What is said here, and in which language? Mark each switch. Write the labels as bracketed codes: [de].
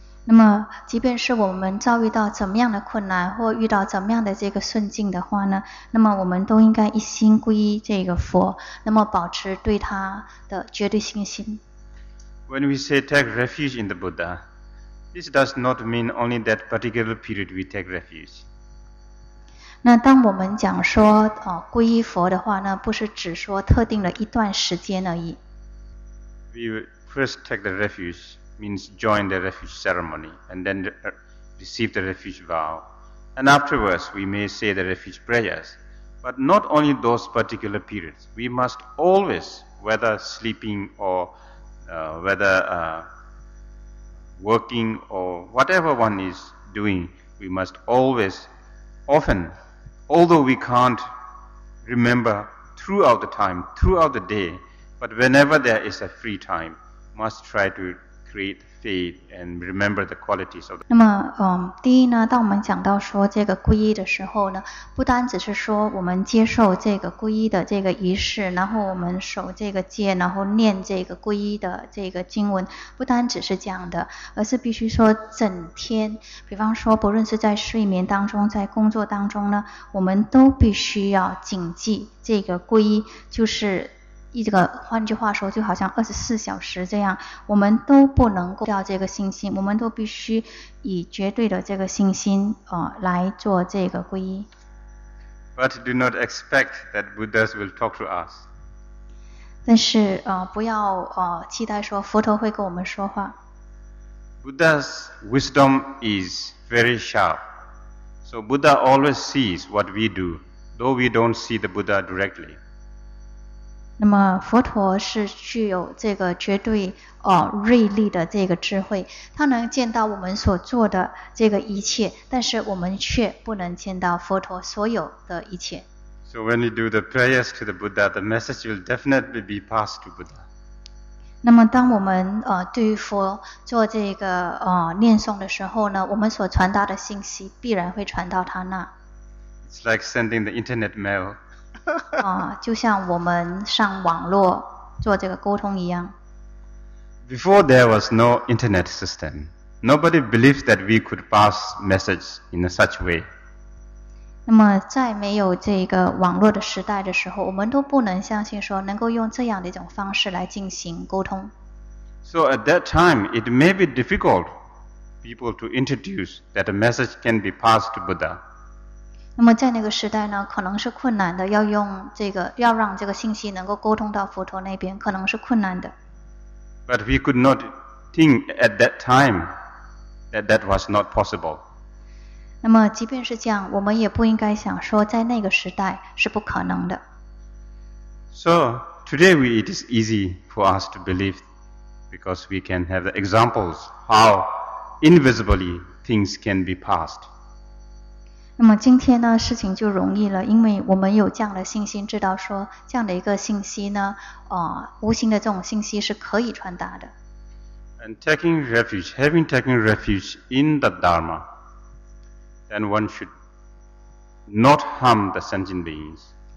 [zh] 那么，即便是我们遭遇到怎么样的困难，或遇到怎么样的这个顺境的话呢？那么，我们都应该一心皈依这个佛，那么保持对他的绝对信心。 [en] When we say take refuge in the Buddha, this does not mean only that particular period we take refuge. [zh] 那当我们讲说皈依佛的话呢，不是只说特定的一段时间而已。 [en] We first take the refuge means join the refuge ceremony and then receive the refuge vow. And afterwards we may say the refuge prayers. But not only those particular periods. We must always, whether sleeping or whether working or whatever one is doing, we must always, often,although we can't remember throughout the time, throughout the day, but whenever there is a free time, must try to create faith and remember the qualities of the [zh] 那么第一呢，当我们讲到说这个皈依的时候呢，不单只是说我们接受这个皈依的这个仪式，然后我们守这个戒，然后念这个皈依的这个经文，不单只是这样的，而是必须说整天，比方说不论是在睡眠当中，在工作当中呢，我们都必须要谨记这个皈依，就是这个换句话说就好像24小时这样，我们都不能够掉这个信心，我们都必须以绝对的这个信心来做这个皈依。 [en] But do not expect that Buddhas will talk to us. [zh] 但是不要期待说佛陀会跟我们说话。 [en] Buddha's wisdom is very sharp. So Buddha always sees what we do, though we don't see the Buddha directly. [zh] 那么佛陀是具有这个绝对锐利的这个智慧，他能见到我们所做的这个一切，但是我们却不能见到佛陀所有的一切。 [en] So when you do the prayers to the Buddha, the message will definitely be passed to Buddha. [zh] 那么当我们对于佛做这个念诵的时候呢，我们所传达的信息必然会传到他那。 [en] It's like sending the internet mail. [zh] 就像我们上网络做这个沟通一样。 [en] Before there was no internet system, nobody believed that we could pass message in such way. [zh] 那么在没有这个网络的时代的时候，我们都不能相信说能够用这样的一种方式来进行沟通。 [en] So at that time, it may be difficult people to introduce that a message can be passed to Buddha. [zh] 那么在那个时代呢，可能是困难的，要用这个，要让这个信息能够沟通到佛陀那边，可能是困难的。 [en] But we could not thing at that time that that was not possible. [zh] 那么即便是这样，我们也不应该想说在那个时代是不可能的。 [en] So today it is easy for us to believe because we can have the examples how invisibly things can be passed. [zh] 那么今天呢，事情就容易了，因为我们有这样的信心，知道说这样的一个信息呢，无形的这种信息是可以传达的。 [en] And taking refuge, having taken refuge in the Dharma, then one should not harm the sentient beings.